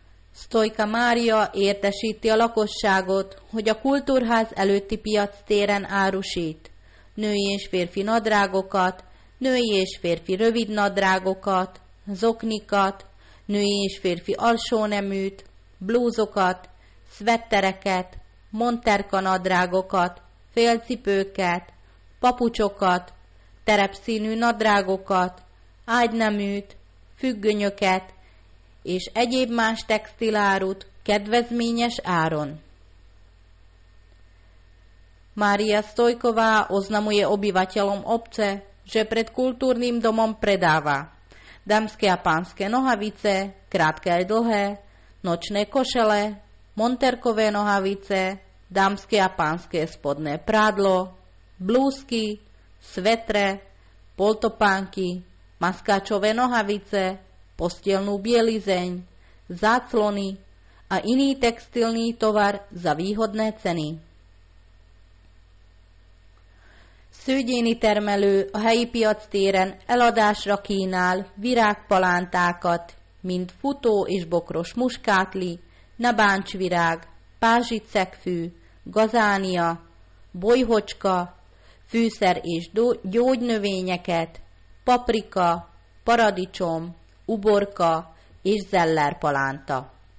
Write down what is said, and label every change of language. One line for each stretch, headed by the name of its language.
Hungarian: Stojka Mária értesíti a lakosságot, hogy a kultúrház előtti piac téren árusít női és férfi nadrágokat, női és férfi rövid nadrágokat, zoknikat, női és férfi alsóneműt, blúzokat, szvettereket, monterka nadrágokat, félcipőket, papucsokat, terepszínű nadrágokat, ágyneműt, függönyöket és egyéb más textilárut kedvezményes áron.
Slovak: Mária Stojková oznamuje obyvateľom obce, že pred kultúrnym domom predáva dámske a pánske nohavice, krátke aj dlhé, nočné košele, monterkové nohavice, dámske a pánske spodné prádlo, blúzky, svetre, poltopánky, maskáčové nohavice, postielnú bielizeň, záclony a iný textilný tovar za výhodné ceny.
Hungarian: Szőgyéni termelő a helyi piac téren eladásra kínál virágpalántákat, mint futó és bokros muskátli, nabáncsvirág, pázsicekfű, gazánia, bolyhocska, fűszer és gyógynövényeket, paprika, paradicsom, uborka és zellerpalánta.